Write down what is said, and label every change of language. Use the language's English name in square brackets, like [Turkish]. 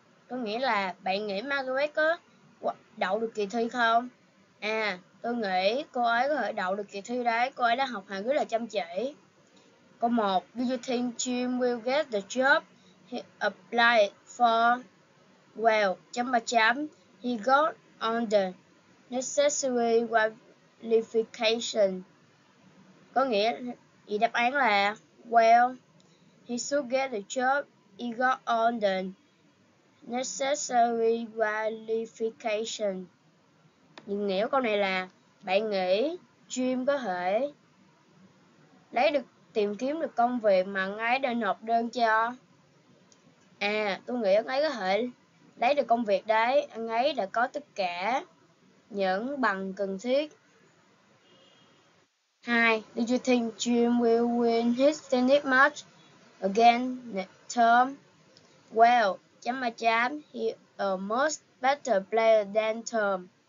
[Vietnamese] Có nghĩa là bạn nghĩ Margaret có đậu được kỳ thi không? À, tôi nghĩ cô ấy có thể đậu được kỳ thi đấy. Cô ấy đã học hành rất là chăm chỉ. Câu 1. [English] Do you think Jim will get the job he applied for? Well, he got on the necessary qualification. [Vietnamese] Có nghĩa, thì đáp án là [English] well, he should get the job he got on the necessary qualification. [Vietnamese] Nhưng nghĩa câu này là bạn nghĩ Jim có thể tìm kiếm được công việc mà anh ấy đã nộp đơn cho. À, tôi nghĩ anh ấy có thể lấy được công việc đấy. Anh ấy đã có tất cả những bằng cần thiết. 2. [English] Do you think Jim will win his tennis match again next term? Well, he a much better player than Tom.